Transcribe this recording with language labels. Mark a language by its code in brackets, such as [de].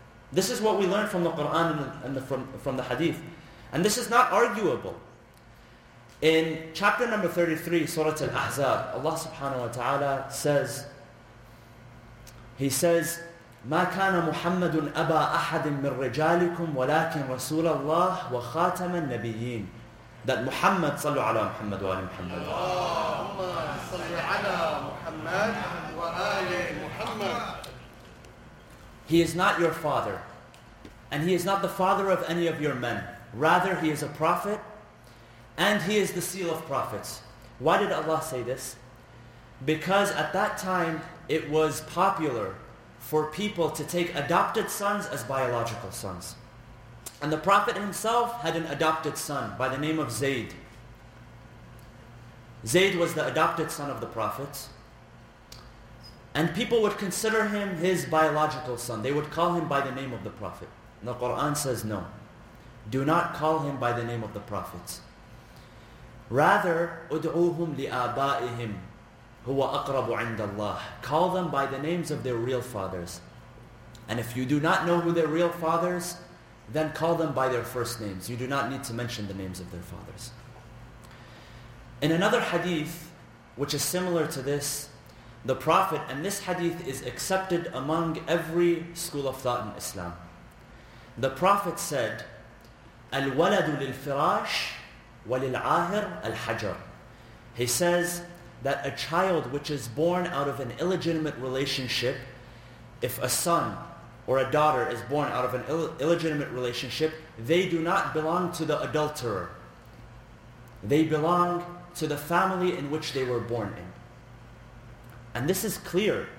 [en] This is what we learn from the Quran and from the Hadith. And this is not arguable. In chapter number 33, Surah Al-Ahzab, Allah subhanahu wa ta'ala says, He says, [ar] مَا كَانَ مُحَمَّدٌ أَبَى أَحَدٍ مِّن رِجَالِكُمْ وَلَكِنْ رَسُولَ اللَّهِ وَخَاتَمَ النَّبِيِّينَ. [en] That Muhammad, [ar] صلوا على محمد وآل محمد. اللهم صل على محمد وآل محمد. [en] He is not your father, and he is not the father of any of your men. Rather, he is a prophet, and he is the seal of prophets. Why did Allah say this? Because at that time, it was popular for people to take adopted sons as biological sons. And the Prophet himself had an adopted son by the name of Zayd. Zayd was the adopted son of the Prophet. And people would consider him his biological son. They would call him by the name of the Prophet. And the Quran says no. Do not call him by the name of the Prophet. Rather, [ar] ادعوهم لآبائهم هو أقرب عند الله. [en] Call them by the names of their real fathers. And if you do not know who their real fathers, then call them by their first names. You do not need to mention the names of their fathers. In another hadith, which is similar to this, the Prophet, and this hadith is accepted among every school of thought in Islam. The Prophet said, [ar] الْوَلَدُ لِلْفِرَاشِ وَلِلْعَاهِرِ الْحَجَرِ. [en] He says that a child which is born out of an illegitimate relationship, if a son or a daughter is born out of an illegitimate relationship, they do not belong to the adulterer. They belong to the family in which they were born in. And this is clear.